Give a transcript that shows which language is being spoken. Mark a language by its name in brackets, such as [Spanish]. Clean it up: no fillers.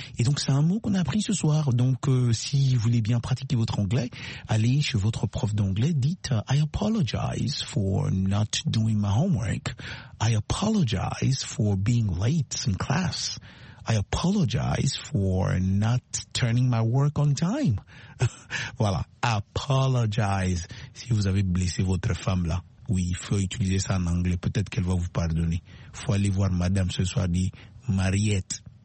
[French] Et donc, c'est un mot qu'on a appris ce soir. Donc, si vous voulez bien pratiquer votre anglais, allez chez votre prof d'anglais, dites [English] I apologize for not doing my homework. I apologize for being late in class. I apologize for not turning my work on time. [French] Voilà, apologize. Si vous avez blessé votre femme là, oui, il faut utiliser ça en anglais. Peut-être qu'elle va vous pardonner. Faut aller voir madame ce soir, dit Mariette.